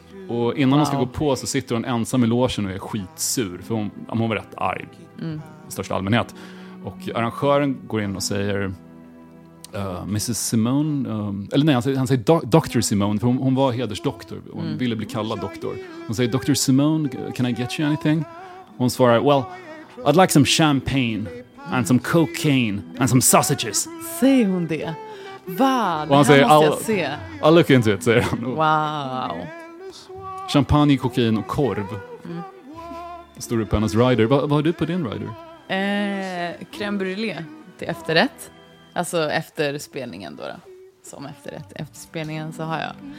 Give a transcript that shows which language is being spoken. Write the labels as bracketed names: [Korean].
[Swedish] Och innan hon ska gå på så sitter hon ensam i logen och är skitsur, för hon var rätt arg i största allmänhet. Och arrangören går in och säger Mrs. Simone, eller nej, han säger Dr. Simone, för hon var hedersdoktor och hon ville bli kallad doktor. Hon säger, [English] Dr. Simone, can I get you anything? [Swedish] Hon svarar, [English] well, I'd like some champagne and some cocaine and some sausages. [Swedish] Säger hon det? Va? Det här säger, måste jag se. [English] I'll look into it, [Swedish] säger hon. Wow. Champagne, kokain och korv. Står det på hennes rider. Vad har du på din rider? Crème brûlée till efterrätt. Alltså efter spelningen då. Som efterrätt. Efter spelningen så har jag.